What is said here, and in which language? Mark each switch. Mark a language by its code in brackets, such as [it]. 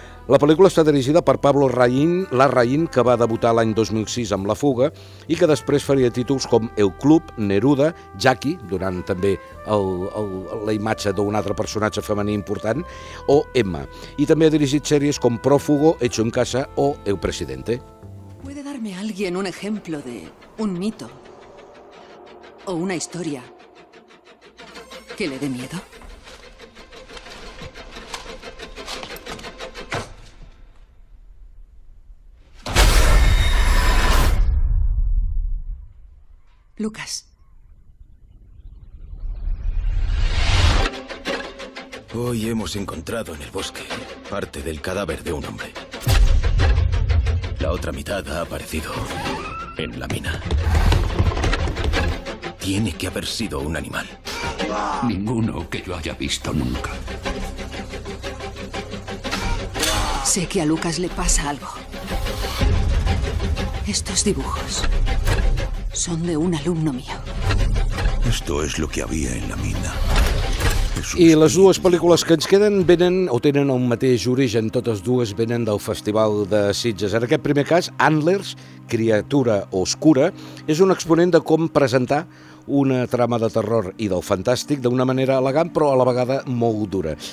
[ca] La pel·lícula està dirigida per Pablo Larraín, que va debutar l'any 2006 amb La Fuga i que després faria títols com El Club, Neruda, Jackie, donant també la imatge d'un altre personatge femení important, o Emma. I també ha dirigit sèries com Prófugo, Hecho en Casa o El Presidente. [es] ¿Puede darme alguien un ejemplo de un mito o una historia que le dé miedo? Lucas. Hoy hemos encontrado en el bosque parte del cadáver de un hombre. La otra mitad ha aparecido en la mina. Tiene que haber sido un animal. Ninguno que yo haya visto nunca. Sé que a Lucas le pasa algo. Estos dibujos son de un alumno mío. Esto es lo que había en la mina. [ca] I les dues pel·lícules que ens queden venen o tenen el mateix origen, totes dues venen del Festival de Sitges. En aquest primer cas, Antlers, criatura oscura, és un exponent de com presentar una trama de terror i del fantàstic d'una manera elegant però a la vegada molt dura.